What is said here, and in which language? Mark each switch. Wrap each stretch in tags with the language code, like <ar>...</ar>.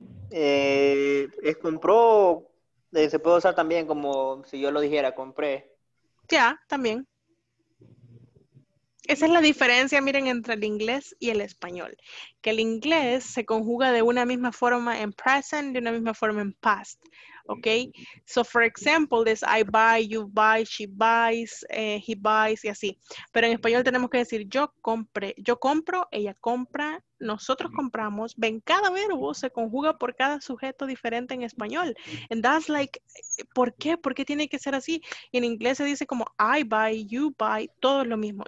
<es>Es compró. Se puede usar también como si yo lo dijera, compré. Ya, también. Esa es la diferencia, miren, entre el inglés y el español. Que el inglés se conjuga de una misma forma en present, de una misma forma en past. ¿Ok?</es> <en>So, for example, this I buy, you buy, she buys, he buys, y así.</en> <es>Pero en español tenemos que decir yo compré, yo compro, ella compra, nosotros compramos. Ven, cada verbo se conjuga por cada sujeto diferente en español.</es> <en>And that's like,</en> <es>¿por qué? ¿Por qué tiene que ser así? Y en inglés se dice como</es> <en>I buy, you buy,</en> <es>todo es lo mismo.</es>